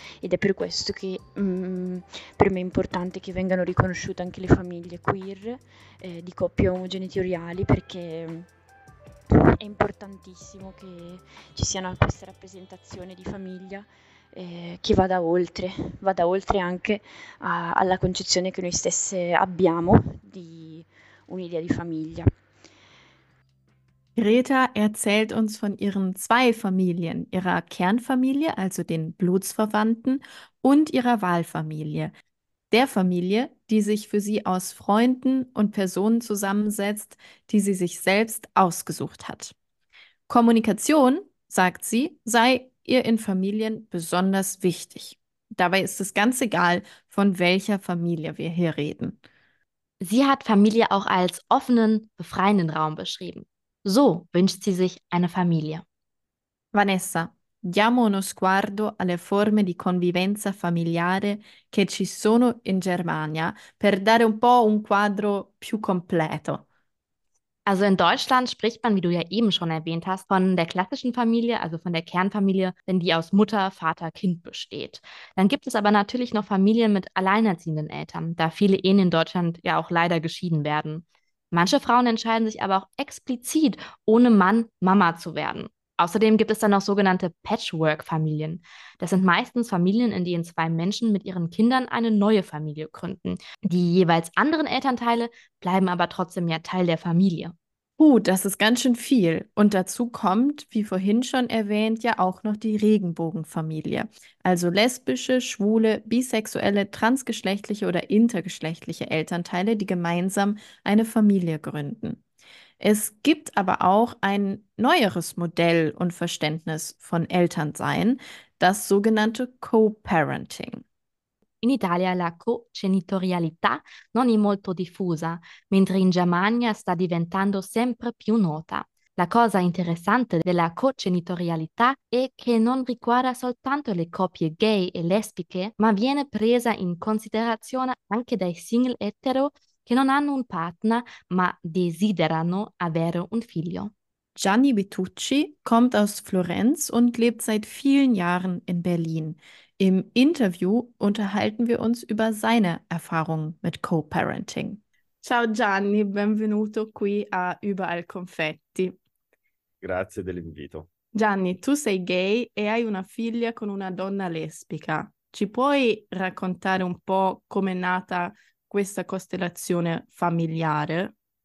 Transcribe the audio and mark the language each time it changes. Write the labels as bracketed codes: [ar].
[it] Ed è per questo che per me è importante che vengano riconosciute anche le famiglie queer di coppie omogenitoriali, perché è importantissimo che ci sia questa rappresentazione di famiglia che vada oltre anche alla concezione che noi stesse abbiamo di un'idea di famiglia. [de] Greta erzählt uns von ihren zwei Familien, ihrer Kernfamilie, also den Blutsverwandten, und ihrer Wahlfamilie, der Familie, die sich für sie aus Freunden und Personen zusammensetzt, die sie sich selbst ausgesucht hat. Kommunikation, sagt sie, sei ihr in Familien besonders wichtig. Dabei ist es ganz egal, von welcher Familie wir hier reden. Sie hat Familie auch als offenen, befreienden Raum beschrieben. So wünscht sie sich eine Familie. [it] Vanessa, diamo uno sguardo alle forme di convivenza familiare che ci sono in Germania per dare un po' un quadro più completo. [de] Also in Deutschland spricht man, wie du ja eben schon erwähnt hast, von der klassischen Familie, also von der Kernfamilie, wenn die aus Mutter, Vater, Kind besteht. Dann gibt es aber natürlich noch Familien mit alleinerziehenden Eltern, da viele Ehen in Deutschland ja auch leider geschieden werden. Manche Frauen entscheiden sich aber auch explizit, ohne Mann Mama zu werden. Außerdem gibt es dann noch sogenannte Patchwork-Familien. Das sind meistens Familien, in denen zwei Menschen mit ihren Kindern eine neue Familie gründen. Die jeweils anderen Elternteile bleiben aber trotzdem ja Teil der Familie. Das ist ganz schön viel. Und dazu kommt, wie vorhin schon erwähnt, ja auch noch die Regenbogenfamilie. Also lesbische, schwule, bisexuelle, transgeschlechtliche oder intergeschlechtliche Elternteile, die gemeinsam eine Familie gründen. Es gibt aber auch ein neueres Modell und Verständnis von Elternsein, das sogenannte Co-Parenting. [it] In Italia la co-genitorialità non è molto diffusa, mentre in Germania sta diventando sempre più nota. La cosa interessante della co-genitorialità è che non riguarda soltanto le coppie gay e lesbiche, ma viene presa in considerazione anche dai single etero che non hanno un partner, ma desiderano avere un figlio. [de] Gianni Vitucci kommt aus Florenz und lebt seit vielen Jahren in Berlin. Im Interview unterhalten wir uns über seine Erfahrungen mit Co-Parenting. [it] Ciao Gianni, benvenuto qui a Überall Confetti. Grazie dell'invito. Gianni, tu sei gay e hai una figlia con una donna lesbica. Ci puoi raccontare un po' com'è nata questa costellazione familiare?